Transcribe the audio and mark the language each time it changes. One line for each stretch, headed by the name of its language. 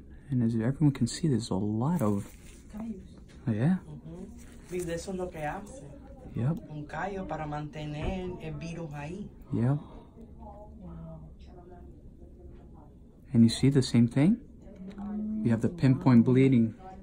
English: And as everyone can see, there's a lot of...
Spanish: Callos.
English: Oh, yeah.
Spanish: Mm-hmm. Y de eso es lo que hace.
English: Yep.
Spanish: Un callo para mantener el virus ahí.
English: Yep. And you see the same thing? We have the pinpoint bleeding.